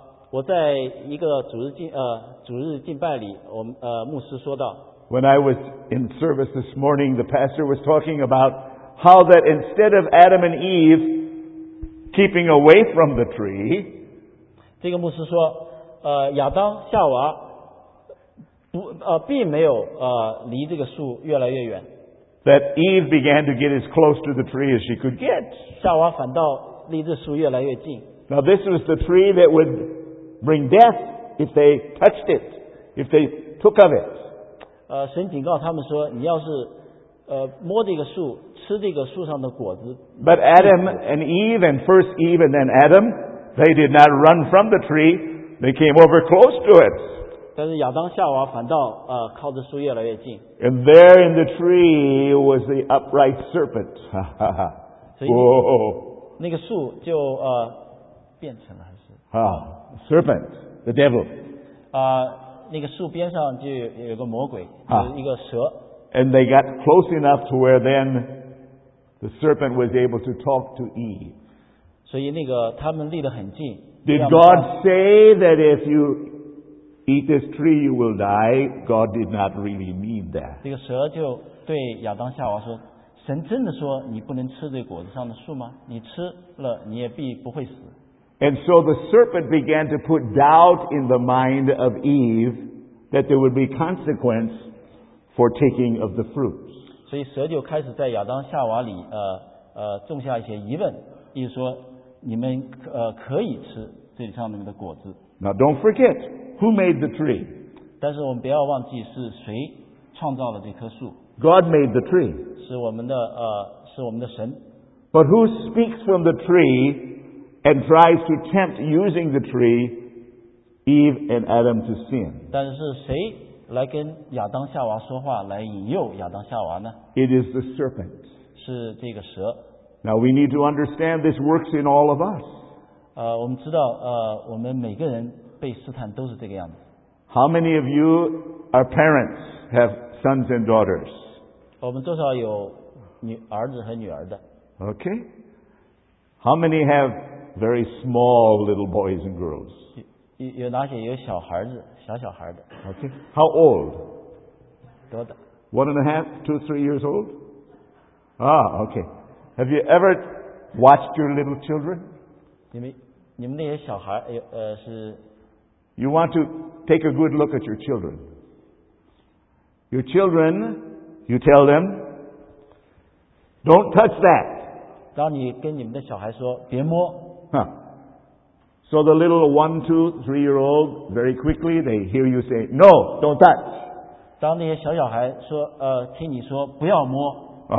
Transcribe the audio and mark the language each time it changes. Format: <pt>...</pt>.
<zh>我在一个主日敬拜里，牧师说道。</zh> <en>When I was in service this morning, the pastor was talking about how that instead of Adam and Eve keeping away from the tree,</en> <zh>这个牧师说，亚当夏娃并没有离这个树越来越远。</zh> <en>That Eve began to get as close to the tree as she could get.</en> <zh>夏娃反倒离这树越来越近。</zh> <en>Now this was the tree that would bring death if they touched it, if they took of it.</en> <zh>神警告他们说，你要是摸这个树，吃这个树上的果子。</zh> <en>But Adam and Eve, and first Eve and then Adam, they did not run from the tree, they came over close to it.</en> <zh>但是亚当夏娃反倒靠着树越来越近。</zh> <en>And there in the tree was the upright serpent.</en> <zh>所以那个树就变成了。</zh> <en>Serpent, the devil.</en> <zh>那个树边上就有个魔鬼，一个蛇。</zh> <en>And they got close enough to where then the serpent was able to talk to Eve.</en> <zh>所以那个他们离得很近。</zh> <en>Did God say that if you eat this tree you will die? God did not really mean that.</en> <zh>这个蛇就对亚当夏娃说，神真的说你不能吃这果子上的树吗？你吃了你也必不会死。</zh> <en>And so the serpent began to put doubt in the mind of Eve that there would be consequence for taking of the fruit.</en> <zh>所以蛇就开始在亚当夏娃里种下一些疑问，意思说你们可以吃这里上面的果子。</zh> <en>Now don't forget, who made the tree?</en> <zh>但是我们不要忘记是谁创造了这棵树。</zh> <en>God made the tree.</en> <zh>是我们的神。</zh> <en>But who speaks from the tree and tries to tempt using the tree Eve and Adam to sin?</en> <zh>但是谁来跟亚当夏娃说话，来引诱亚当夏娃呢？</zh> <en>It is the serpent.</en> <zh>是这个蛇。</zh> <en>Now we need to understand this works in all of us.</en> <zh>我们知道我们每个人被试探都是这个样子。</zh> <en>How many of you are parents, have sons and daughters?</en> <zh>我们多少有儿子和女儿的。</zh> <en>Okay. How many have very small little boys and girls?</en> <zh>有哪些有小孩子，小小孩的。</zh> <en>Okay. How old?</en> <zh>多大？</zh> <en>One and a half, two, 3 years old? Okay. Have you ever watched your little children?</en> <zh>你们那些小孩是</zh> <en>You want to take a good look at your children. Your children, you tell them, don't touch that.</en> <zh>当你跟你们的小孩说别摸。</zh> <en>So the little 1, 2, 3 year old, very quickly they hear you say, no, don't touch.</en> <zh>当那些小小孩说听你说不要摸。</zh>